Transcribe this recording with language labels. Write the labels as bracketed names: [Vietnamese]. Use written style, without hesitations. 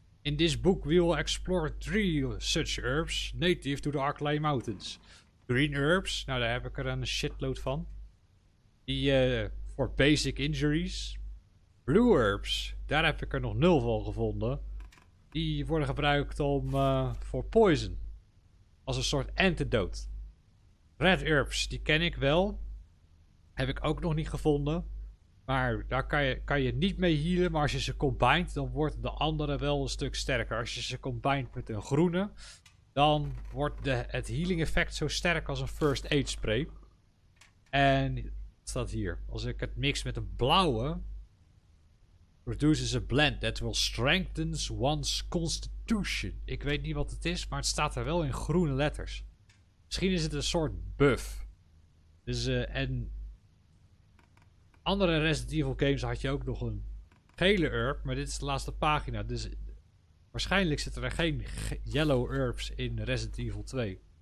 [English] In this book we will explore 3 such herbs native to the Arklay Mountains. Green herbs. [Dutch] Nou, daar heb ik er een shitload van. Die [English] for basic injuries. [Dutch] Blue herbs, daar heb ik er nog nul van gevonden. Die worden gebruikt om voor poison. Als een soort antidote. Red herbs, die ken ik wel. Heb ik ook nog niet gevonden. Maar daar kan je niet mee healen. Maar als je ze combined, dan wordt de andere wel een stuk sterker. Als je ze combined met een groene, dan wordt het healing effect zo sterk als een first aid spray. En wat staat hier? Als ik het mix met een blauwe... [English] produces a blend that will strengthen one's constitution. [Dutch] Ik weet niet wat het is, maar het staat er wel in groene letters. Misschien is het een soort buff. Dus en andere Resident Evil games had je ook nog een gele herb, maar dit is de laatste pagina. Dus waarschijnlijk zitten er geen yellow herbs in Resident Evil 2.